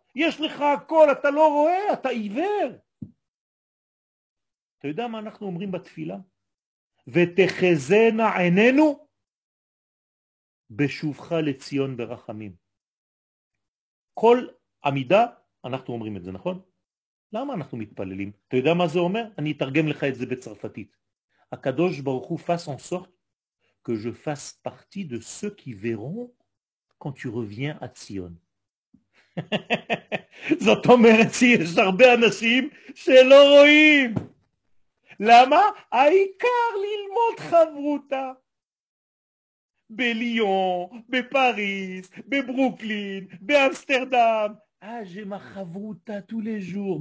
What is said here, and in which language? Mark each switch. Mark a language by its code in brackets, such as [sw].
[he] יש לך הכל, אתה לא רואה, אתה עיוור. אתה יודע מה אנחנו אומרים בתפילה? ותחזנה עינינו בשובך לציון ברחמים. כל עמידה, אנחנו אומרים את זה, נכון? למה אנחנו מתפללים? אתה יודע מה זה אומר? אני אתרגם לך את זה בצרפתית. הקדוש ברוך הוא [fr] fasse en sorte que je fasse partie de ceux qui verront quand tu reviens à Zion. [he] זאת אומרת, יש הרבה אנשים שלא רואים. למה? העיקר ללמוד חברותה. בליון, בפריז, בברוקלין, באמסטרדם. [fr] Ah, j'ai ma chavruta tous les jours.